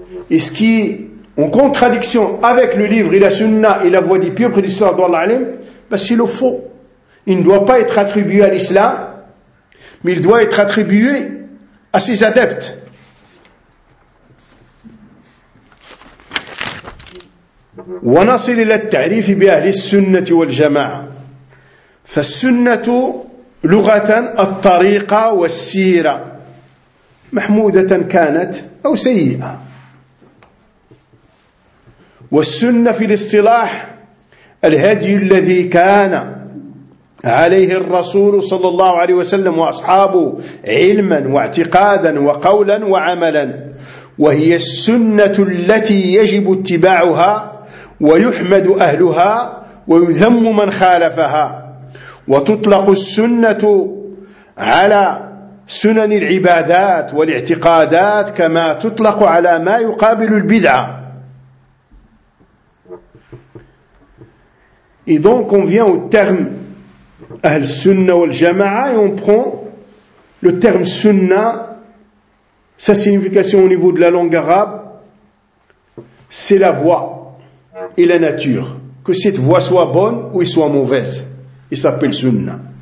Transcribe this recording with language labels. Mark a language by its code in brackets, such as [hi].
[fr] Et ce qui est en contradiction avec le livre et la sunna et la voie des pieux prédécesseurs d'Allah alayhi, ben c'est le faux. Il ne doit pas être attribué à l'islam, mais il doit être attribué à ses adeptes. [ar] ونصل إلى التعريف بأهل السنة والجماعة فالسنة لغة الطريقة والسيرة محمودة كانت أو سيئة والسنة في الاصطلاح الهدي الذي كان عليه الرسول صلى الله عليه وسلم وأصحابه علما واعتقادا وقولا وعملا وهي السنة التي يجب اتباعها ويحمد أهلها ويذم من خالفها وتطلق السنة على سنن العبادات والاعتقادات كما تطلق على ما يقابل البدعة. [fr] Et donc on vient au terme [ar] أهل السنة والجماعة [fr] et on prend le terme سنة, sa signification au niveau de la langue arabe, c'est la voie et la nature, que cette voie soit bonne ou soit mauvaise, il s'appelle sunna.